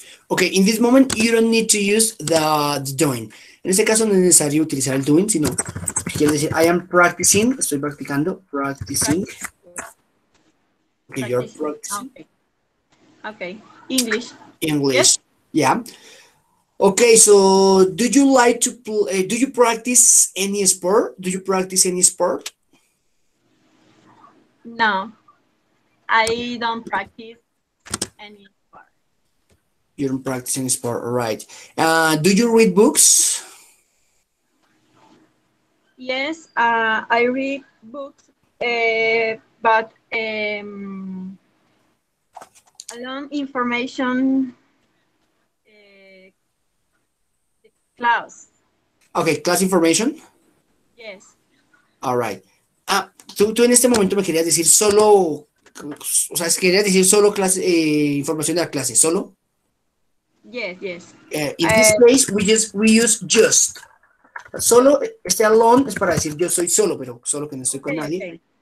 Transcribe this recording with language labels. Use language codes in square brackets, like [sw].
[en] Okay, in this moment you don't need to use the doing. [es] En ese caso no es necesario utilizar el doing, sino quiero decir [en] I am practicing, [es] estoy practicando, practicing. [en] Okay, you're Practicing. practicing. Okay. English. English. Yeah. Okay, so do you like to play, do you practice any sport? Do you practice any sport? No, I don't practice any sport. You're practicing sport, right? Do you read books? Yes, I read books, but along information class. Okay, class information. Yes. All right. [es] Tú en este momento me querías decir solo, o sea, querías decir solo información de la clase, solo. [en] Yes, In this case, we use just. [es] Solo, este alone es para decir yo soy solo, pero solo que no estoy con nadie.